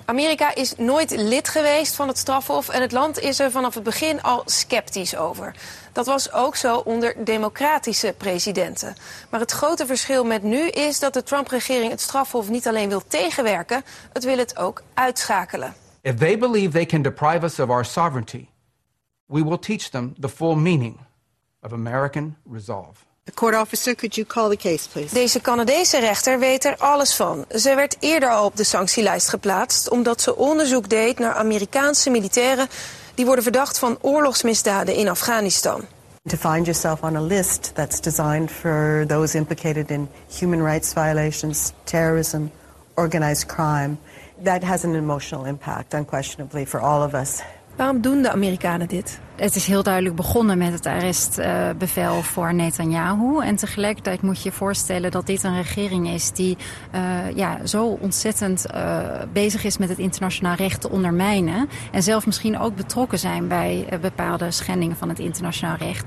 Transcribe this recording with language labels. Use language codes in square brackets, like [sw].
[nl] Amerika is nooit lid geweest van het strafhof en het land is er vanaf het begin al sceptisch over. Dat was ook zo onder democratische presidenten. Maar het grote verschil met nu is dat de Trump-regering het strafhof niet alleen wil tegenwerken, het wil het ook uitschakelen. [en] If they believe they can deprive us of our sovereignty, we will teach them the full meaning of American resolve. The court officer, could you call the case, please? [nl] Deze Canadese rechter weet er alles van. Ze werd eerder al op de sanctielijst geplaatst omdat ze onderzoek deed naar Amerikaanse militairen die worden verdacht van oorlogsmisdaden in Afghanistan. [en] To find yourself on a list that's designed for those implicated in human rights violations, terrorism, organized crime, that has an emotional impact, unquestionably, for all of us. [nl] Waarom doen de Amerikanen dit? Het is heel duidelijk begonnen met het arrestbevel voor Netanyahu. En tegelijkertijd moet je je voorstellen dat dit een regering is die zo ontzettend bezig is met het internationaal recht te ondermijnen. En zelf misschien ook betrokken zijn bij bepaalde schendingen van het internationaal recht.